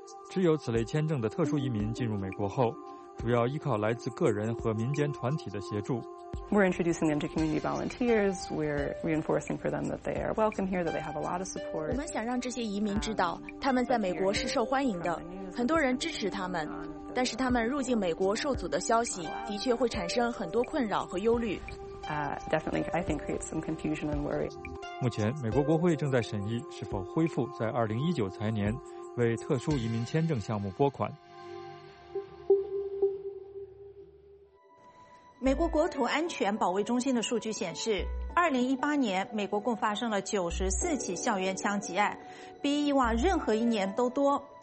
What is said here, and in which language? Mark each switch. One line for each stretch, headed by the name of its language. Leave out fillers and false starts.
Chinese: 持有此类签证的特殊移民进入美国后，主要依靠来自个人和民间团体的协助。
English: We're introducing them to community volunteers. We're reinforcing for them that they are welcome here, that they have a lot of support.
Chinese: 我们想让这些移民知道，他们在美国是受欢迎的，很多人支持他们。但是他们入境美国受阻的消息，的确会产生很多困扰和忧虑。
English: Definitely, I think creates some confusion and worry.
Chinese: 目前，美国国会正在审议是否恢复在2019财年为特殊移民签证项目拨款。美国国土安全保卫中心的数据显示，2018年美国共发生了94起校园枪击案，比以往任何一年都多。